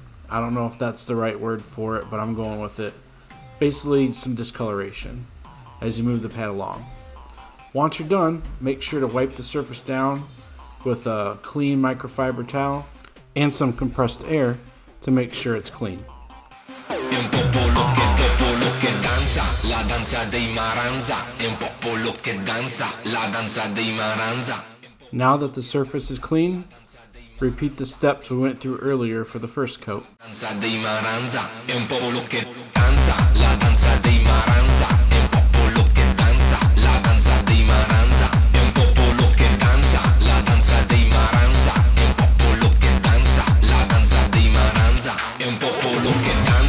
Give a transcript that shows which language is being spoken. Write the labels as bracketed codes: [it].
[en] I don't know if that's the right word for it, but I'm going with it. Basically, some discoloration as you move the pad along. Once you're done, make sure to wipe the surface down with a clean microfiber towel and some compressed air to make sure it's clean. [it] La danza dei maranza, è un popolo che danza, la danza dei maranza. [en] Now that the surface is clean, repeat the steps we went through earlier for the first coat. [it] La danza dei maranza, è un popolo che danza, la danza dei maranza, è un popolo che danza, la danza dei maranza, è un popolo che danza, la danza dei maranza, è un popolo che danza, la danza dei maranza, è un popolo che danza.